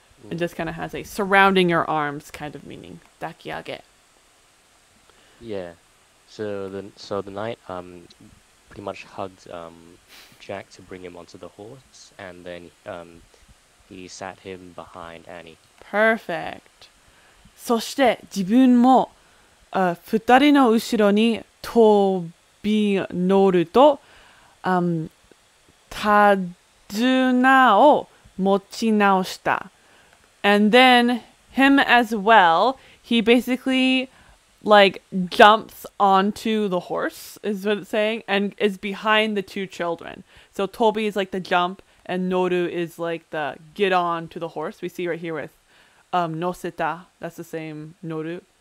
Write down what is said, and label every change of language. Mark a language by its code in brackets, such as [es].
[en] It just kind of has a surrounding your arms kind of meaning. Daki age. Yeah. So the knight pretty much hugged Jack to bring him onto the horse, and then he sat him behind Annie. Perfect. [ja] そして自分も二人の後ろに飛び乗ると手綱を持ち直した。 [en] And then him as well, he basically like jumps onto the horse, is what it's saying, and is behind the two children. So Tobi is like the jump and Noru is like the get on to the horse. We see right here with Noseta, that's the same Noru.